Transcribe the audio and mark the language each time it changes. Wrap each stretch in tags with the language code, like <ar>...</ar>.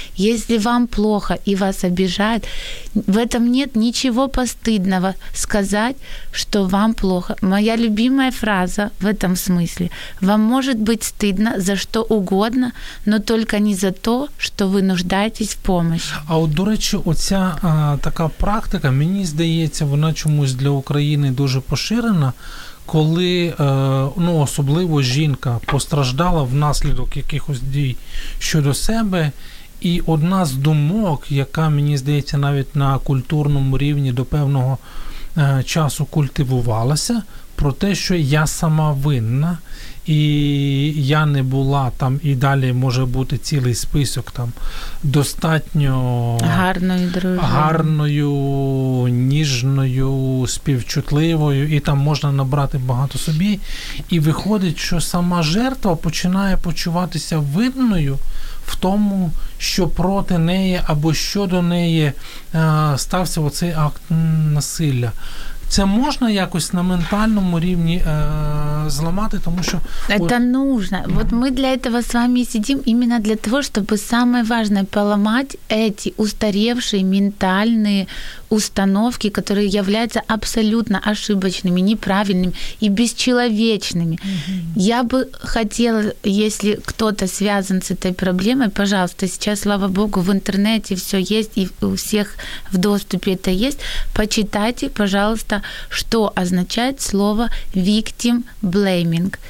<ru>Если вам плохо и вас обижают, в этом нет ничего постыдного сказать, что вам плохо. Моя любимая фраза в этом смысле. Вам может быть стыдно за что угодно, но только не за то, что вы</ru> <uk>нуждаєтесь в помощі. А от, до речі, оця така практика, мені здається, вона чомусь для України дуже поширена, коли, ну, особливо жінка постраждала внаслідок якихось дій щодо себе, і одна з думок, яка, мені здається, навіть на культурному рівні до певного часу культивувалася, про те, що я сама винна, і я не була там, і далі може бути цілий список там достатньо гарною, гарною, ніжною, співчутливою, і там можна набрати багато собі. І виходить, що сама жертва починає почуватися винною в тому, що проти неї або щодо неї стався оцей акт насилля. Це можна якось на ментальному рівні зламати, тому що...</uk> <ru>Это нужно. Вот мы для этого с вами сидим именно для того, чтобы самое важное поломать эти устаревшие ментальные установки, которые являются абсолютно ошибочными, неправильными и бесчеловечными. Mm-hmm. Я бы хотела, если кто-то связан с этой проблемой, пожалуйста, сейчас, слава богу, в интернете все есть, и у всех в доступе это есть, почитайте, пожалуйста, что означает слово victim blaming.</ru>